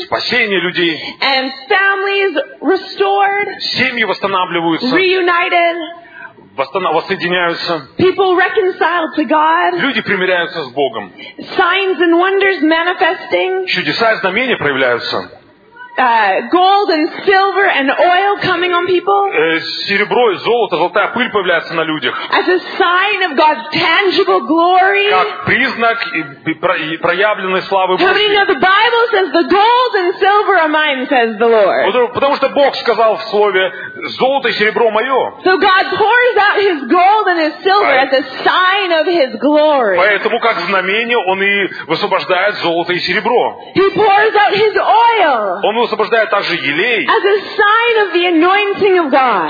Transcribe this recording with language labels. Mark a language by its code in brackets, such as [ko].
[ru] Спасение людей. [en] And families restored. [ru] Семьи восстанавливаются. [en] Reunited. [ru] Воссоединяются. [en] People reconciled to God. [ru] Люди примиряются с Богом. [en] Signs and wonders manifesting. [ru] Чудеса и знамения проявляются. [en] Gold and silver and oil coming on people. [ru] Серебро и золото, золотая пыль появляется на людях. [en] As a sign of God's tangible glory. [ru] Как признак проявленной славы Божьей. [en] How many know the Bible says the gold and silver are mine, says the Lord. [ru] Потому что Бог сказал в слове: золото и серебро мое. [en] So God pours out His gold and His silver as a sign of His glory. [ru] Поэтому как знамение Он и высвобождает золото и серебро. [en] He pours out His oil. [ru] Он высвобождает также елей, [en] as a sign of the anointing of God.